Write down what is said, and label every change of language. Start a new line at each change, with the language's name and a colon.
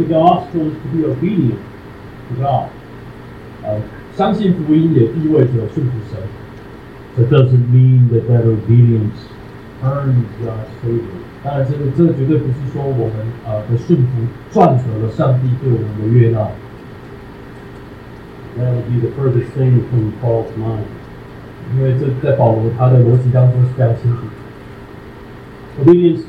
English: To believe the gospel is to be obedient to God.
Chinese: 相信福音也意味着顺服神。
English: That doesn't mean that that obedience earns God's favor.
Chinese: 当然这绝对不是说我们 的顺服赚得了上帝对我们的悦纳。
English: That would be the furthest thing from Paul's mind.
Chinese: 因为这在保罗他的逻辑当中是非常清楚。
English: Obedience